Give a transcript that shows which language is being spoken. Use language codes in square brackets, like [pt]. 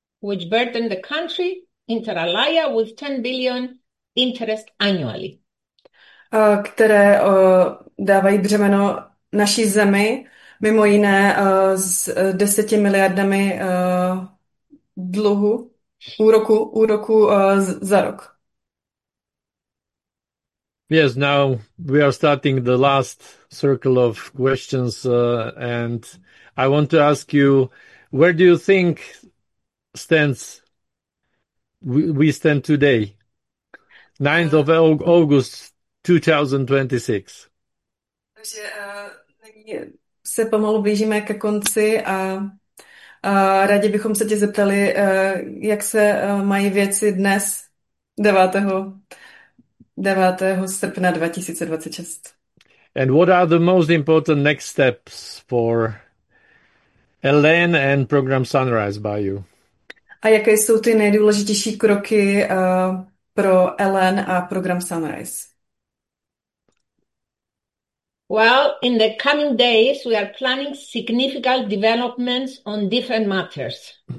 [en] Which burden the country inter alia with 10 billion interest annually. [cs] Které dávají břemeno naší zemi, mimo jiné s 10 miliardami dluhu, úroku za rok. [en] Yes, now we are starting the last circle of questions, and I want to ask you, where do you think we stand today, 9th of August 2026? [cs] Takže se pomalu blížíme ke konci a rádi bychom se tě zeptali, jak se mají věci dnes, 9. srpna 2026. [en] And what are the most important next steps for ELEN and program Sunrise by you? [cs] A jaké jsou ty nejdůležitější kroky pro ELEN a program Sunrise? [en] Well, in the coming days, we are planning significant developments on different matters.